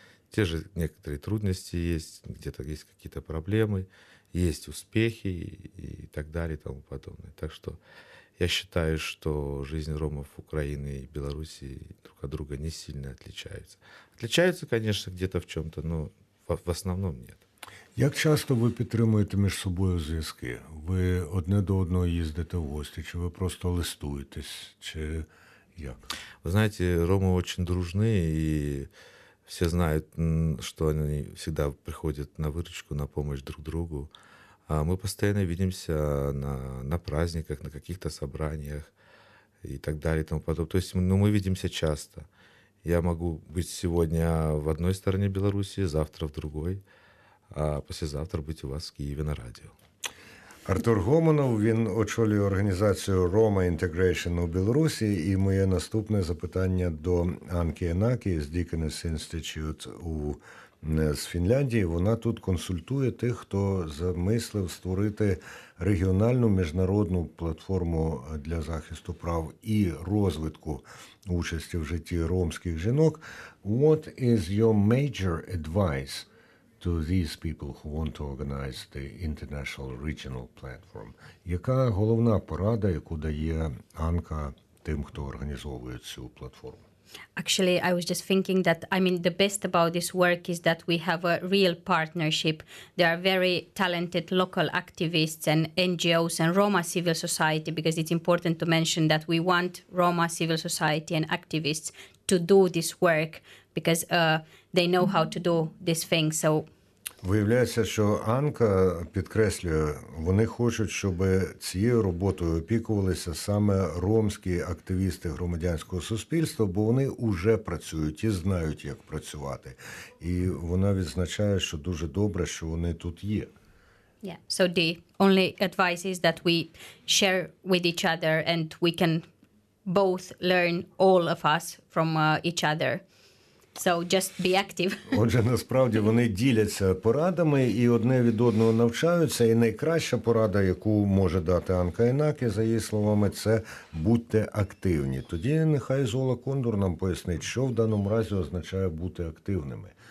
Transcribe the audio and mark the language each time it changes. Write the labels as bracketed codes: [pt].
[ru] Те же некоторые трудности есть, где-то есть какие-то проблемы, есть успехи и так далее и тому подобное. Так что я считаю, что жизнь ромов Украины и Белоруссии друг от друга не сильно отличаются. Отличаются, конечно, где-то в чем-то, но в основном нет. [uk] Як часто ви підтримуєте між собою зв'язки? Ви одне до одного їздите в гості, чи ви просто листуєтесь, чи як? Ви знаєте, роми дуже дружні і все [ru] знают, что они всегда приходят на выручку, на помощь друг другу. А мы постоянно видимся на праздниках, на каких-то собраниях и так далее и тому подобное. То есть ну, мы видимся часто. Я могу быть сегодня в одной стороне Беларуси, завтра в другой, а послезавтра быть у вас в Киеве на радио. [uk] Артур Гоманов, він очолює організацію Roma Integration у Білорусі. І моє наступне запитання до Анки Енакі з Deaconess Institute у з Фінляндії. Вона тут консультує тих, хто замислив створити регіональну міжнародну платформу для захисту прав і розвитку участі в житті ромських жінок. [en] What is your major advice to these people who want to organize the international regional platform? [uk] Яка головна порада, яку дає Анка тим, хто організовує цю платформу? [en] Actually, I was just thinking that, I mean, the best about this work is that we have a real partnership. There are very talented local activists and NGOs and Roma civil society, because it's important to mention that we want Roma civil society and activists to do this work, because they know how to do this thing. So, [uk] виявляється, що Анка підкреслює, вони хочуть, щоб цією роботою опікувалися саме ромські активісти громадянського суспільства, бо вони вже працюють і знають, як працювати. І вона відзначає, що дуже добре, що вони тут є. [en] Yeah. So the only advice is that we share with each other and we can both learn, all of us, from each other. So just be active. [uk] Отже, насправді вони діляться порадами і одне від одного навчаються. І найкраща порада, яку може дати Анка Інакі, за її словами, це «будьте активні». Тоді нехай Зола Кондор нам пояснить, що в даному разі означає «бути активними».